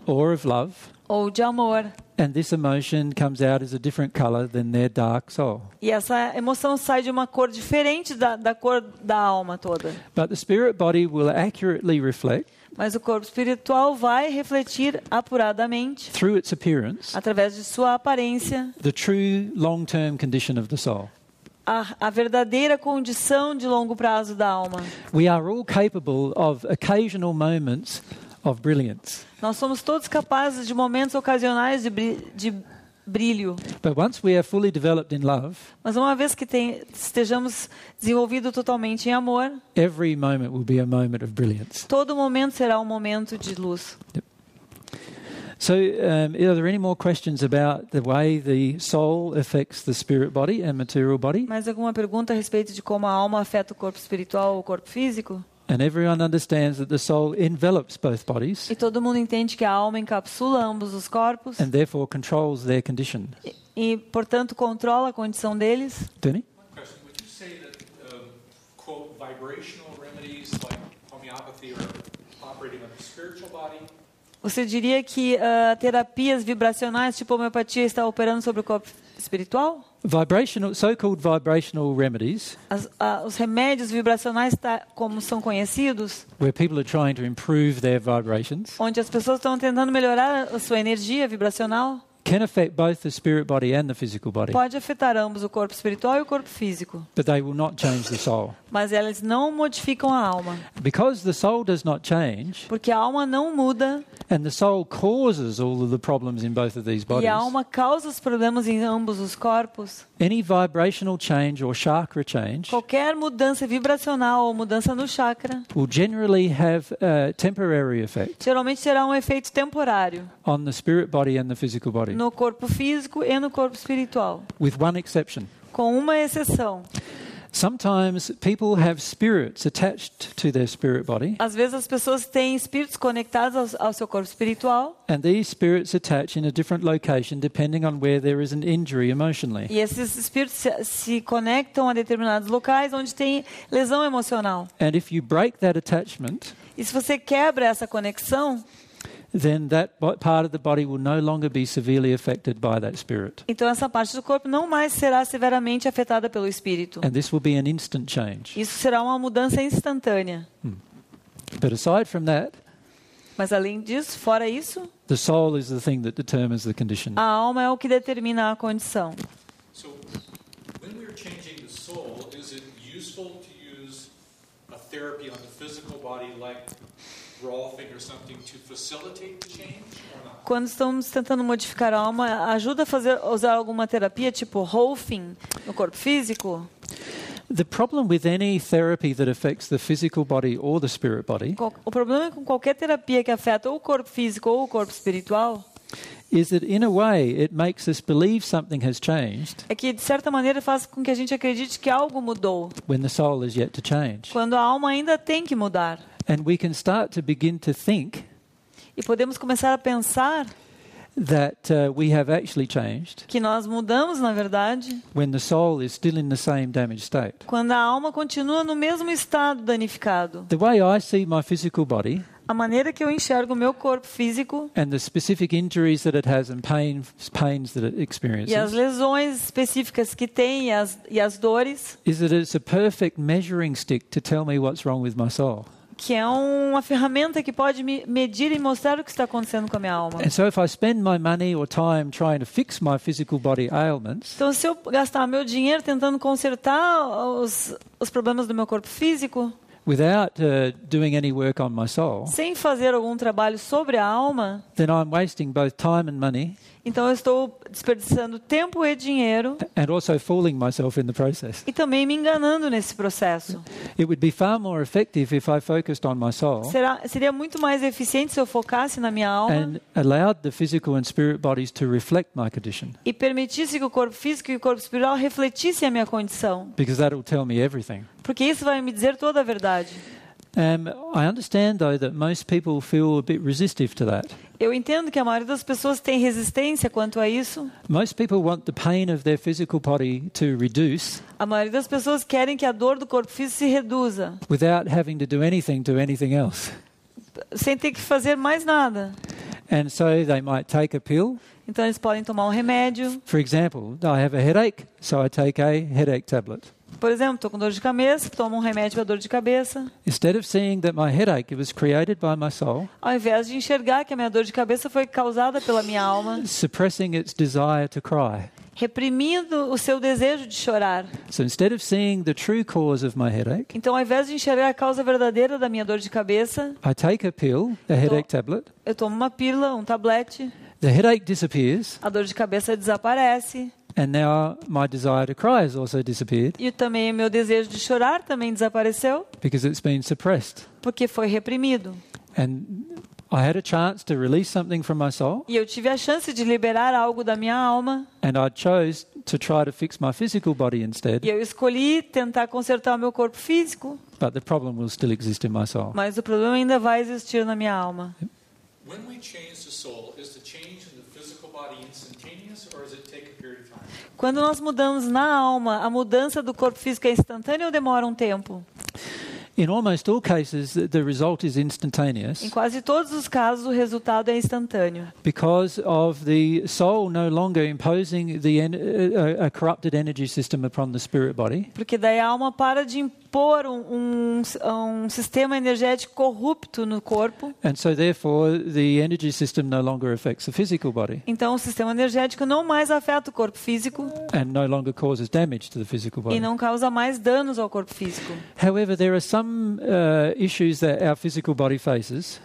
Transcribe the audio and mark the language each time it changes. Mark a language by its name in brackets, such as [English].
[English] Or of love. [Portuguese] Ou de amor. [English] And this emotion comes out as a different color than their dark soul. [Portuguese] E essa emoção sai de uma cor diferente da cor da alma toda. [English] But the spirit body will accurately reflect. [Portuguese] Mas o corpo espiritual vai refletir apuradamente. [English] Through its appearance. [Portuguese] Através de sua aparência. [English] The true long-term condition of the soul. [Portuguese] A verdadeira condição de longo prazo da alma. [English] We are all capable of occasional moments of brilliance. [Portuguese] Nós somos todos capazes de momentos ocasionais de brilho. [English] But once we are fully developed in love, [Portuguese] mas uma vez que estejamos desenvolvidos totalmente em amor, [English] every moment will be a moment of brilliance. [Portuguese] Todo momento será um momento de luz. Yep. [English] So, are there any more questions about the way the soul affects the spirit body and material body? [Portuguese] Mais alguma pergunta a respeito de como a alma afeta o corpo espiritual ou o corpo físico? [English] And everyone understands that the soul envelops both bodies. [Portuguese] E todo mundo entende que a alma encapsula ambos os corpos. [English] And therefore controls their condition. [Portuguese] E portanto controla a condição deles. [English] Denny? One question. Would you say that quote vibrational remedies like homeopathy are operating on the spiritual body? [Portuguese] Você diria que terapias vibracionais tipo homeopatia está operando sobre o corpo espiritual? [English] Vibrational, so-called vibrational remedies. [Portuguese] Os remédios vibracionais, como são conhecidos, [English] where people are trying to improve their vibrations, [Portuguese] onde as pessoas estão tentando melhorar a sua energia vibracional, [English] can affect both the spirit body and the physical body. [Portuguese] Pode afetar ambos o corpo espiritual e o corpo físico. [English] But they will not change the soul. [Portuguese] Mas elas não modificam a alma. [English] Because the soul does not change. [Portuguese] Porque a alma não muda. [English] And the soul causes all of the problems in both of these bodies. [Portuguese] E a alma causa os problemas em ambos os corpos. [English] Any vibrational change or chakra change. [Portuguese] Qualquer mudança vibracional ou mudança no chakra. [English] Will generally have a temporary effect. [Portuguese] Geralmente terá um efeito temporário. [English] On the spirit body and the physical body. [Portuguese] No corpo físico e no corpo espiritual. [English] With one exception. [Portuguese] Com uma exceção. [English] Sometimes people have spirits attached to their spirit body. [Portuguese] Às vezes as pessoas têm espíritos conectados ao seu corpo espiritual. [English] And these spirits attach in a different location depending on where there is an injury emotionally. [Portuguese] E esses espíritos se conectam a determinados locais onde tem lesão emocional. [English] And if you break that attachment, [Portuguese] e se você quebra essa conexão, [English] then that part of the body will no longer be severely affected by that spirit. [Portuguese] Então essa parte do corpo não mais será severamente afetada pelo espírito. [English] And this will be an instant change. [Portuguese] Isso será uma mudança instantânea. [English] But aside from that, [Portuguese] mas além disso, fora isso, [English] the soul is the thing that determines the condition. [Portuguese] A alma é o que determina a condição. [English] So, when we're changing the soul, is it useful to use a therapy on the physical body like Rolfing or something to facilitate the change? [Portuguese] Quando estamos tentando modificar a alma, ajuda a fazer usar alguma terapia tipo Rolfing no corpo físico? [English] The problem with any therapy that affects the physical body or the spirit body. [Portuguese] O problema com qualquer terapia que afeta o corpo físico ou o corpo espiritual [English] is that in a way it makes us believe something has changed. [Portuguese] É que de certa maneira faz com que a gente acredite que algo mudou. [English] When the soul is yet to change. [Portuguese] Quando a alma ainda tem que mudar. [English] And we can start to begin to think. [Portuguese] E podemos começar a pensar [English] that we have actually changed. [Portuguese] Que nós mudamos, na verdade. [English] When the soul is still in the same damaged state. [Portuguese] Quando a alma continua no mesmo estado danificado. [English] The way I see my physical body. [Portuguese] A maneira que eu enxergo o meu corpo físico. [English] And the specific injuries that it has and pains that it experiences. [Portuguese] E as lesões específicas que tem e as dores. [English] Is that it's a perfect measuring stick to tell me what's wrong with my soul. [Portuguese] Que é uma ferramenta que pode me medir e mostrar o que está acontecendo com a minha alma. [English] And so if I spend my money or time trying to fix my physical body ailments. [Portuguese] Então se eu gastar meu dinheiro tentando consertar os problemas do meu corpo físico. [English] Without doing any work on my soul. [Portuguese] Sem fazer algum trabalho sobre a alma. [English] Then I'm wasting both time and money. [Portuguese] Então eu estou desperdiçando tempo e dinheiro. [English] And also fooling myself in the process. [Portuguese] E também me enganando nesse processo. [English] It would be far more effective if I focused on my soul. [Portuguese] Seria muito mais eficiente se eu focasse na minha alma. [English] And allowed the physical and spirit bodies to reflect my condition. [Portuguese] E permitisse que o corpo físico e o corpo espiritual refletissem a minha condição. [English] Because that will tell me everything. [Portuguese] Porque isso vai me dizer toda a verdade. [English] I understand though that most people feel a bit resistive to that. [Portuguese] Eu entendo que a maioria das pessoas tem resistência quanto a isso. [English] Most people want the pain of their physical body to reduce. [Portuguese] A maioria das pessoas querem que a dor do corpo físico se reduza. [English] Without having to do anything to anything else. [Portuguese] Sem ter que fazer mais nada. [English] And so they might take a pill. [Portuguese] Então eles podem tomar um remédio. [English] For example, I have a headache, so I take a headache tablet. [Portuguese] Por exemplo, estou com dor de cabeça, tomo um remédio para dor de cabeça. [English] Instead of seeing that my headache was created by my soul. [Portuguese] Ao invés de enxergar que a minha dor de cabeça foi causada pela minha alma. [English] Suppressing its desire to cry. [Portuguese] Reprimindo o seu desejo de chorar. [English] So instead of seeing the true cause of my headache. [Portuguese] Então, ao invés de enxergar a causa verdadeira da minha dor de cabeça. [English] I take a pill, a headache tablet. [Portuguese] Eu tomo uma pílula, um tablete. [English] The headache disappears. [Portuguese] A dor de cabeça desaparece. [English] And now my desire to cry has also disappeared. [Portuguese] E também o meu desejo de chorar também desapareceu. [English] Because it's been suppressed. [Portuguese] Porque foi reprimido. [English] And I had a chance to release something from my soul. [Portuguese] E eu tive a chance de liberar algo da minha alma. [English] And I chose to try to fix my physical body instead. [Portuguese] E eu escolhi tentar consertar o meu corpo físico. [English] But the problem will still exist in my soul. [Portuguese] Mas o problema ainda vai existir na minha alma. [English] When we change the soul, is the change in the physical body instantaneous or does it take a period of time? [Portuguese] Quando nós mudamos na alma, a mudança do corpo físico é instantânea ou demora um tempo? [English] In almost all cases, the result is instantaneous. [Portuguese] Em quase todos os casos, o resultado é instantâneo. [English] Because of the soul no longer imposing a corrupted energy system upon the spirit body. [Portuguese] Porque daí a alma para de impor um sistema energético corrupto no corpo. [English] And so therefore, the energy system no longer affects the physical body. [Portuguese] Então o sistema energético não mais afeta o corpo físico. [English] And no longer causes damage to the physical body. [Portuguese] E não causa mais danos ao corpo físico. [English] However, there are some issues that our physical body faces.